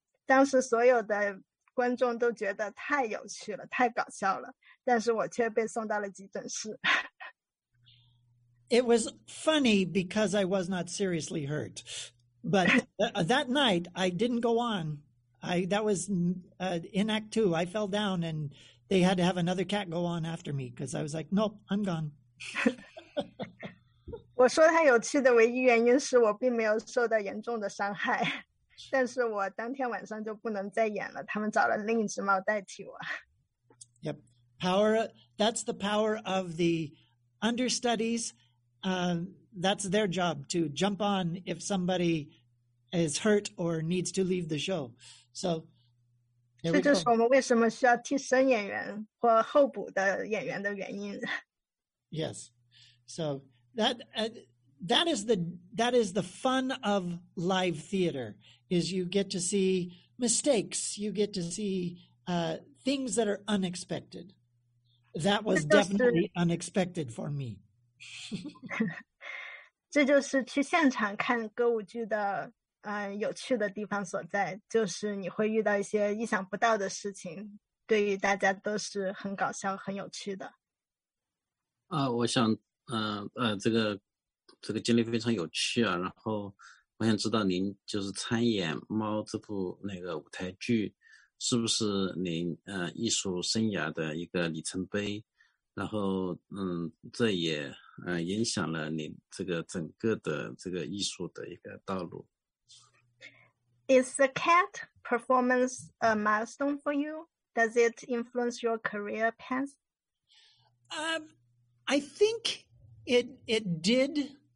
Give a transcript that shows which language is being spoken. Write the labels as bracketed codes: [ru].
[zh] 当时所有的观众都觉得太有趣了，太搞笑了，但是我却被送到了急诊室。 [en] It was funny because I was not seriously hurt. But that night, I didn't go on. That was in act two. I fell down and they had to have another cat go on after me because I was like, nope, I'm gone. [zh] 我说它有趣的唯一原因是我并没有受到严重的伤害，但是我当天晚上就不能再演了，他们找了另一只猫代替我。 [en] Yep. Power, that's the power of the understudies. That's their job to jump on if somebody is hurt or needs to leave the show. So, there we go. [zh] 这就是我们为什么需要替身演员或候补的演员的原因。 [en] Yes. So, that is the fun of live theater, is you get to see mistakes, you get to see things that are unexpected. That was definitely unexpected for me. [zh] 这就是去现场看歌舞剧的有趣的地方所在，就是你会遇到一些意想不到的事情，对于大家都是很搞笑很有趣的。我想这个经历非常有趣啊，然后我想知道您就是参演猫这部那个舞台剧是不是您艺术生涯的一个里程碑，然后这也影响了你这个整个的这个艺术的一个道路。 [en] Is the cat performance a milestone for you? Does it influence your career path? I think it did.